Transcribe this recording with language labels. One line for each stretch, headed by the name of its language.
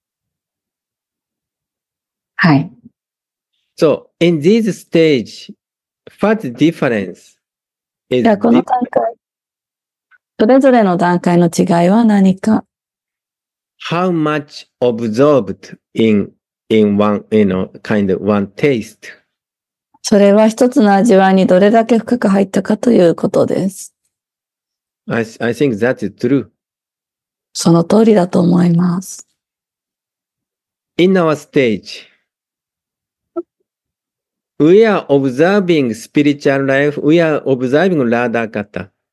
Japanese: ー。はい。
English: So, in this stage, what difference is
Japanese: この段階。それぞれの段階の違いは何か
English: ?How much absorbed in one, you know, kind of one taste?
Japanese: それは一つの味わいにどれだけ深く入ったかということです。
English: I think that's true.
Japanese: その通りだと思います。
English: In our stage, we are observing spiritual life, we are observing Radha Katha.